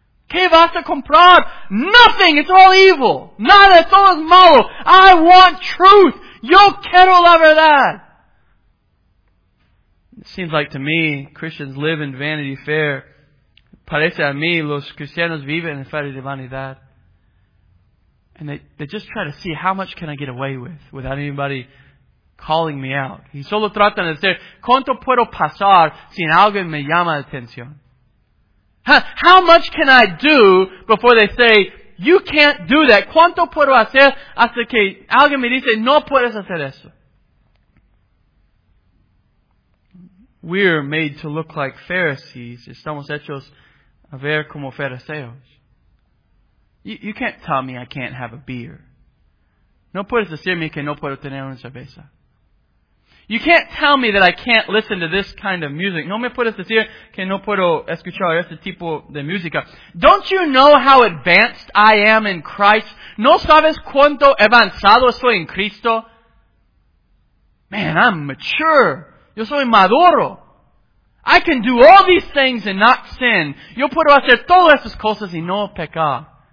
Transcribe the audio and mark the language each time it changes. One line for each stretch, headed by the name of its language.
Spanish: ¿Qué vas a comprar?
English: Nothing! It's all evil!
Spanish: Nada! Todo es malo!
English: I want truth!
Spanish: Yo quiero la verdad!
English: It seems like to me, Christians live in Vanity Fair.
Spanish: Parece a mí, los cristianos viven en Feria de Vanidad.
English: And they just try to see how much can I get away with without anybody calling me out.
Spanish: Y solo tratan de decir, ¿cuánto puedo pasar sin alguien me llama la atención?
English: How much can I do before they say, you can't do that?
Spanish: ¿Cuánto puedo hacer hasta que alguien me dice, no puedes hacer eso?
English: We're made to look like Pharisees.
Spanish: Estamos hechos a ver como fariseos.
English: You can't tell me I can't have a beer.
Spanish: No puedes decirme que no puedo tener una cerveza.
English: You can't tell me that I can't listen to this kind of music.
Spanish: No me puedes decir que no puedo escuchar este tipo de música.
English: Don't you know how advanced I am in Christ?
Spanish: ¿No sabes cuánto avanzado soy en Cristo?
English: Man, I'm mature.
Spanish: Yo soy maduro.
English: I can do all these things and not sin.
Spanish: Yo puedo hacer todas estas cosas y no pecar.